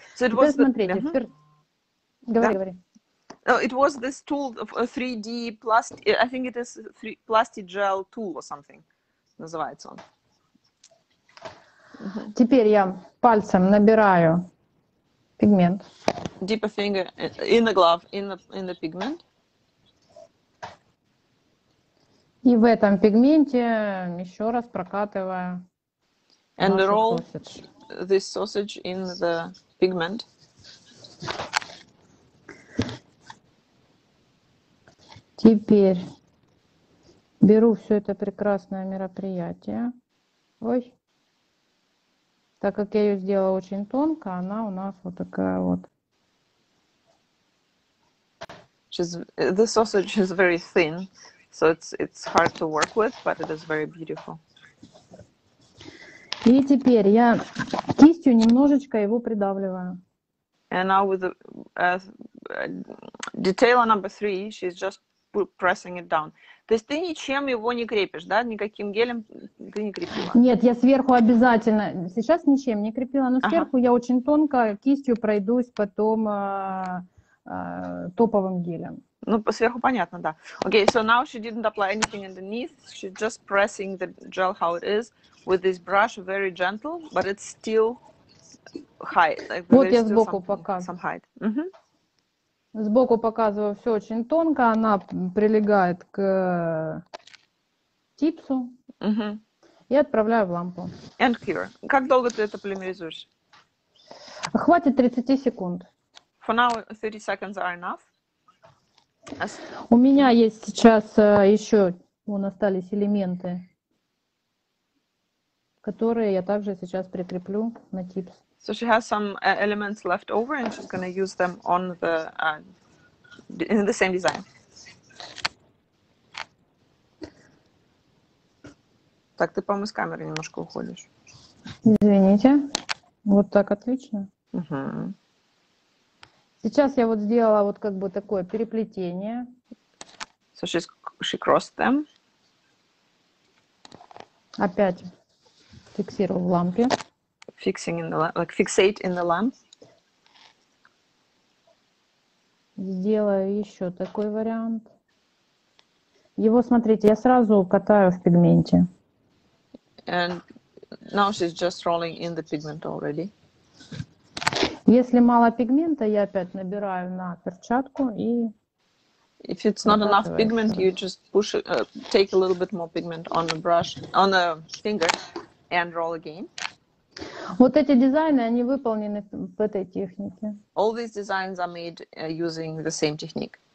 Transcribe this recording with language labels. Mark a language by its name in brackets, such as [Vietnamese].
[Russian] So теперь смотрите. The... Uh-huh. Говори. [English] Oh, it was this tool, of 3D plastic, I think it is plastic gel tool or something, [Russian] называется он. Теперь я пальцем набираю пигмент. [English] Dip a finger in the glove, in the pigment. [Russian] И в этом пигменте еще раз прокатываю [English] and roll this sausage in the pigment. [Russian] Теперь беру все это прекрасное мероприятие. Ой. Так как я ее сделала очень тонко, она у нас вот такая вот. [English] The sausage is very thin, so it's hard to work with, but it is very beautiful. [Russian] И теперь я кистью немножечко его придавливаю. [English] And now with detail number three, she's just pressing it down. [Russian] То есть ты ничем его не крепишь, да? Никаким гелем ты не крепила? Нет, я сверху обязательно. Сейчас ничем не крепила, но сверху я очень тонко кистью пройдусь потом топовым гелем. Ну, сверху понятно, да. [English] Okay, so now she didn't apply anything underneath. She's just pressing the gel how it is with this brush, very gentle, but it's still high. [Russian] Like, вот я сбоку пока. [English] Some height. Mm-hmm. [Russian] Сбоку показываю, все очень тонко, она прилегает к типсу и отправляю в лампу. [English] And cure. [Russian] Как долго ты это полимеризуешь? Хватит 30 секунд. [English] For now, 30 seconds are enough. As... [Russian] У меня есть сейчас еще, вон остались элементы, которые я также сейчас прикреплю на типс. [English] So she has some elements left over and she's going to use them on the in the same design. [Russian] Так, ты, по-моему, с камеры немножко уходишь. Извините. Вот так отлично. Uh-huh. Сейчас я вот сделала вот как бы такое переплетение. [English] So she crossed them. [Russian] Опять фиксирую в лампе. [English] Fixing in the lamp, like fixate in the lamp. [Russian] Сделаю еще такой вариант. Его, смотрите, я сразу катаю в пигменте. [English] And now she's just rolling in the pigment already. [Russian] Если мало пигмента, я опять набираю на перчатку и. [English] If it's not enough pigment, you just push it, take a little bit more pigment on the brush, on the finger, and roll again. [Russian] Вот эти дизайны, они выполнены в этой технике. [English] All these designs are made using the same technique.